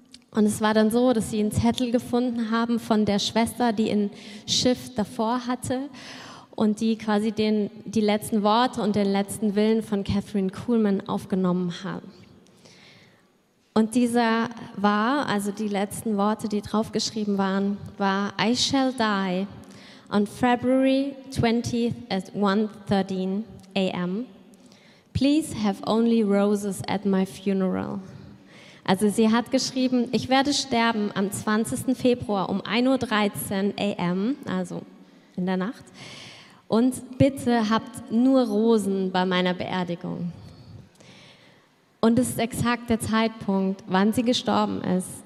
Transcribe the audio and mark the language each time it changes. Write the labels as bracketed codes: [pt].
[de] Und es war dann so, dass sie einen Zettel gefunden haben von der Schwester, die ein Schiff davor hatte und die quasi die letzten Worte und den letzten Willen von Catherine Kuhlmann aufgenommen haben. Und dieser war, also die letzten Worte, die draufgeschrieben waren, war: [en] I shall die on February 20th at 1:13 a.m. Please have only roses at my funeral. [de] Also sie hat geschrieben, ich werde sterben am 20. Februar um 1:13 a.m., also in der Nacht, und bitte habt nur Rosen bei meiner Beerdigung. Und es ist exakt der Zeitpunkt, wann sie gestorben ist.